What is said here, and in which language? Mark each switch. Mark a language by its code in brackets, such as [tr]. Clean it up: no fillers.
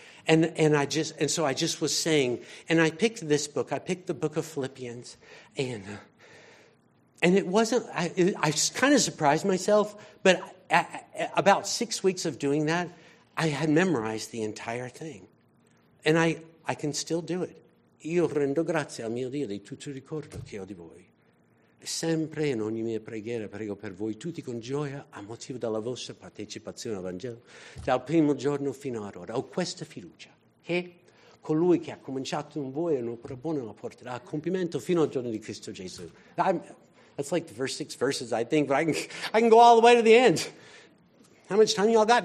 [en] And so I just was saying, and I picked this book. I picked the book of Philippians, and it wasn't. I kind of surprised myself, but about 6 weeks of doing that, I had memorized the entire thing, and I can still do it. [it] Io rendo grazie al mio Dio di tutto il ricordo che ho di voi. Sempre in ogni mia preghiera prego per voi tutti con gioia a motivo della vostra partecipazione al Vangelo dal primo giorno fino ad ora. Ho questa fiducia che colui che ha cominciato in voi e non propone lo porterà a compimento fino al giorno di Cristo Gesù. [en] That's like the first six verses, I think, but I can go all the way to the end. How much time you all got?